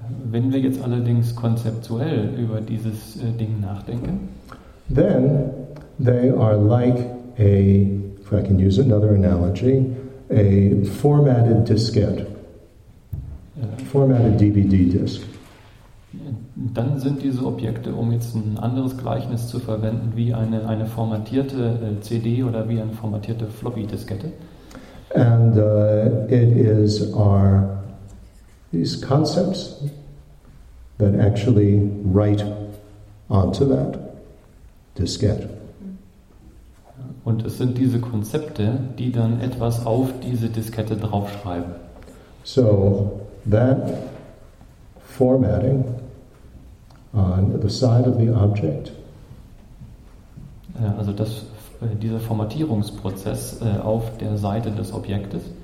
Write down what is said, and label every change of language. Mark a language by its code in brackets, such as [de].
[de] wenn wir jetzt allerdings konzeptuell über dieses Ding nachdenken, [en] then they are like a, if I can use another analogy, a formatted diskette, formatted DVD disc. [de] Dann sind diese Objekte, um jetzt ein anderes Gleichnis zu verwenden, wie eine formatierte CD oder wie eine formatierte Floppy-Diskette. [en] And it is our these concepts that actually write onto that diskette. [de] Und es sind diese Konzepte, die dann etwas auf diese Diskette draufschreiben. [en] So, that formatting on the side of the object. [de] Also das, dieser Formatierungsprozess auf der Seite des Objektes